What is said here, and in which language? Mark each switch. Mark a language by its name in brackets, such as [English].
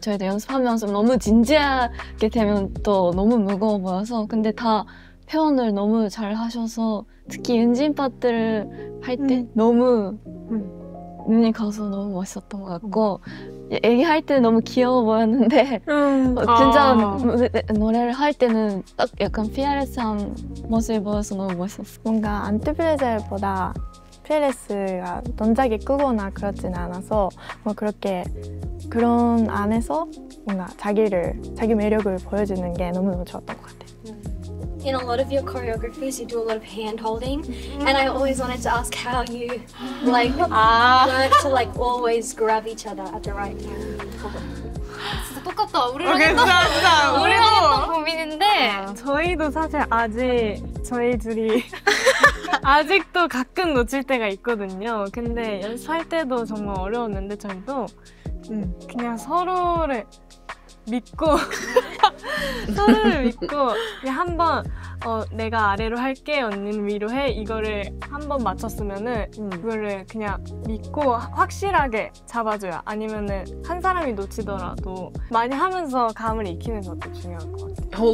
[Korean] 저희도 연습하면서 너무 진지하게 되면 또 너무 무거워 보여서 근데 다 표현을 너무 잘 하셔서 특히 은진 파트를 할 때 너무 눈이 가서 너무 멋있었던 것 같고 얘기할 때는 너무 귀여워 보였는데 진짜 노래를 할 때는 딱 약간 피아레스한 모습이 보여서 너무 멋있었어. 뭔가 안티프레젤보다 피아레스가 던작이 크거나 그렇진 않아서 뭐 그렇게 그런 안에서 뭔가 자기 매력을 보여주는 게 너무너무 좋았던 것 같아요. [English] In a lot of your choreographies, you do a lot of hand-holding. And I always wanted to ask how you like learn to like always grab each other at the right time. [Korean] 진짜 똑같다. 우리랑 했던 고민인데 저희도 사실 아직 저희 둘이 아직도 가끔 놓칠 때가 있거든요. 근데 연습할 때도 정말 어려웠는데 저희도 그냥 서로를 믿고 서로를 믿고 한번 내가 아래로 할게 언니는 위로 해 이거를 한번 맞췄으면은 그거를 그냥 믿고 확실하게 잡아줘야 아니면은 한 사람이 놓치더라도 많이 하면서 감을 익히는 것도 중요한 것 같아요.